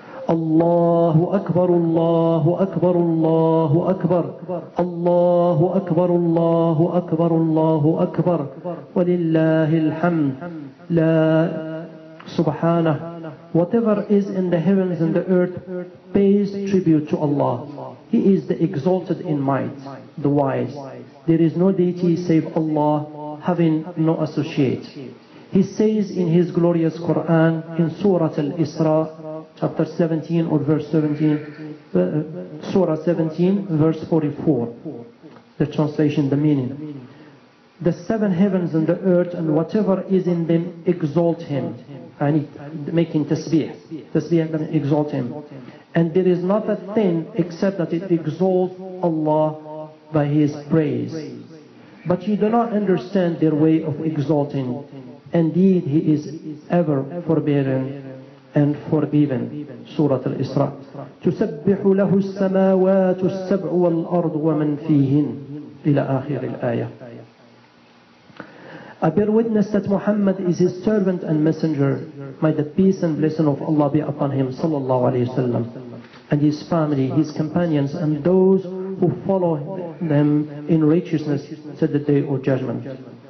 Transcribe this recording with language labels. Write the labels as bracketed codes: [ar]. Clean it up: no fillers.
[ar] الله أكبر الله أكبر الله أكبر الله أكبر الله أكبر الله أكبر ولله الحمد لا سبحانه [en] Whatever is in the heavens and the earth pays tribute to Allah. He is the exalted in might, the wise. There is no deity save Allah, having no associate. He says in his glorious Quran, in Surah Al-Isra, chapter 17 or verse 17, Surah 17, verse 44, the translation, the meaning. The seven heavens and the earth and whatever is in them exalt him. And making tasbih and exalt him. And there is not a thing except that it exalts Allah by his praise. But you do not understand their way of exalting. Indeed, he is ever forbearing and forgiven. Surah Al-Isra. [ar] تسبح له السماوات السبع والأرض ومن فيهن إلى آخر الآية. [en] I bear witness that Muhammad is his servant and messenger. May the peace and blessing of Allah be upon him, sallallahu alayhi wa sallam, and his family, his companions, and those who follow them in righteousness to the day of judgment.